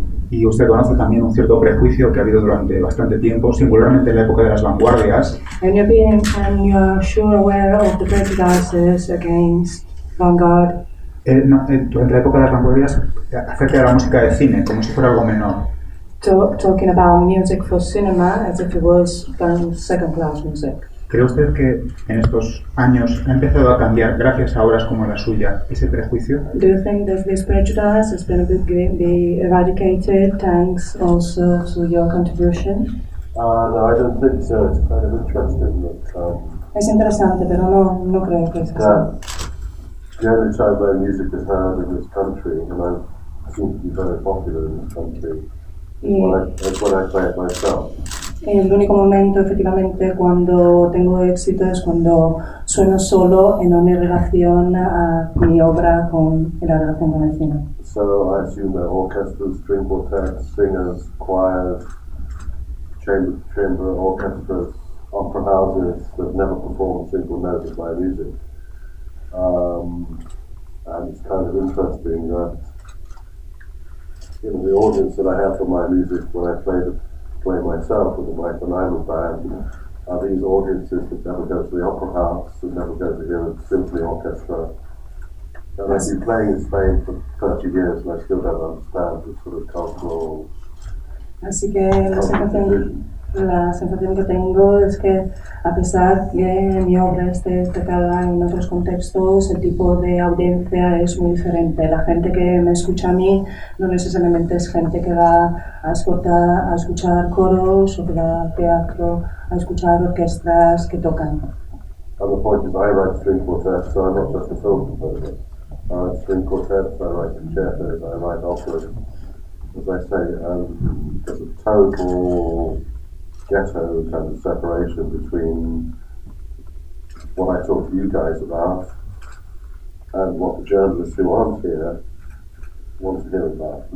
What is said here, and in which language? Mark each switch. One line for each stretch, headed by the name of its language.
Spanish: Y usted conoce también un cierto prejuicio que ha habido durante bastante tiempo, singularmente en la época de las vanguardias.
English: And you're being, and you're sure aware of the prejudices against vanguard.
Spanish: Durante la época de las vanguardias, acerca de la música de cine, como si fuera algo menor.
English: Talking about music for cinema as if it was second class music.
Spanish: ¿Cree usted que en estos años ha empezado a cambiar, gracias a obras como la suya, ese prejuicio?
English: Do you think that this prejudice has been eradicated thanks also to your contribution? No, I don't think so. It's kind of interesting that.
Spanish: Es interesante, pero no creo que sea.
English: The only time my music is heard in this country, and I seem to be very popular in this country, is when I play it myself.
Spanish: El único momento, efectivamente, cuando tengo éxito es cuando sueno solo en una relación a mi obra con la relación con el cine.
English: So I assume that orchestras, string quartets, singers, choirs, chamber orchestras, opera houses that never perform single notes of my music. And it's kind of interesting that the audience that I have for my music when I play it. Play myself with a Michael Nyman band. Are these audiences that never go to the opera house, that never go to hear a symphony orchestra? And I've been playing in Spain for 30 years, and I still don't understand the sort of cultural.
Spanish: Así que la sensación que tengo es que a pesar que mi obra esté tocada en otros contextos, el tipo de audiencia es muy diferente. La gente que me escucha a mí no necesariamente es gente que va a escuchar coros o que va al teatro a escuchar orquestas que tocan.
English: And the point is, I write string quartets, so I'm not just a film composer. I write string quartets, I write concertos, I write operas. As I say, there's a total ghetto kind of separation between what I talk to you guys about and what the journalists who aren't here want to hear about.